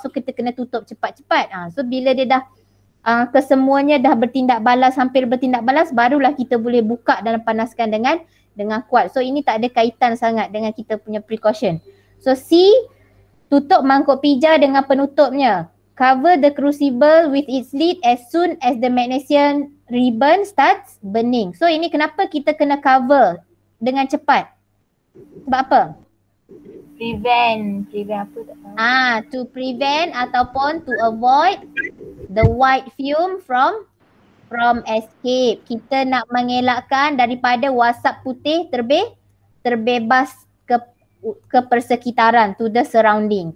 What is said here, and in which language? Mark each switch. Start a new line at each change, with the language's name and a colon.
Malay: So kita kena tutup cepat-cepat. So bila dia dah kesemuanya dah bertindak balas, hampir bertindak balas, barulah kita boleh buka dan panaskan dengan kuat. So ini tak ada kaitan sangat dengan kita punya precaution. So C, tutup mangkuk pijar dengan penutupnya.
English: Cover the crucible with its lid as soon as the magnesium ribbon starts burning.
Malay: So ini kenapa kita kena cover dengan cepat? Sebab apa? Prevent apa tak tahu.
English: To prevent ataupun to avoid the white fume from escape.
Malay: Kita nak mengelakkan daripada wasap putih terbebas ke persekitaran,
English: to the surrounding.